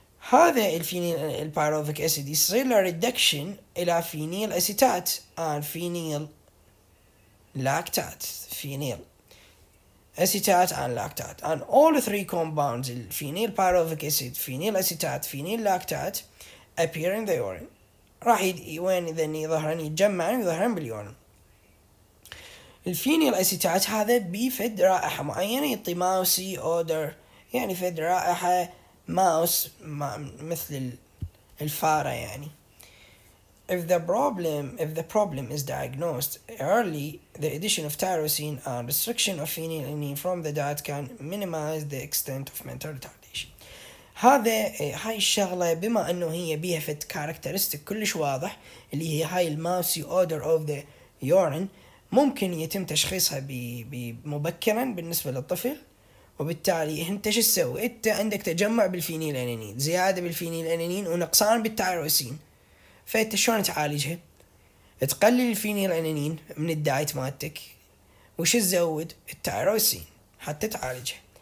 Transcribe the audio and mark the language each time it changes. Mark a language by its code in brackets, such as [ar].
[ar] هذا الفينيل البايروفيك اسيد يصير له ريدكشن الى فينيل اسيتات ان فينيل لاكتات، فينيل اسيتات ان لاكتات ان [en] all three compounds [ar] الفينيل بايروفيك اسيد فينيل اسيتات فينيل لاكتات [en] appear in the urine, [ar] راح وين اذا يظهرن يتجمعن يظهرن باليورين. الفينيل اسيتات هذا بيفد رائحه معينه، يعطي ماوسي اودر، يعني فد رائحه ماوس ما مثل الفارة. يعني [en] if the problem is diagnosed early, the addition of tyrosine and restriction of phenylalanine from the diet can minimize the extent of mental retardation. [ar] هذا هاي الشغلة بما أنه هي بيها فت كاركترستيك كلش واضح اللي هي هاي الماوسي [en] odor of the urine، [ar] ممكن يتم تشخيصها بمبكرا بالنسبة للطفل، وبالتالي انت شو تسوي؟ انت عندك تجمع بالفينيلالانين، زياده بالفينيلالانين ونقصان بالتايروسين، فانت شلون تعالجها؟ تقلل الفينيلالانين من الدايت مالتك، وش تزود؟ التايروسين حتى تعالجها.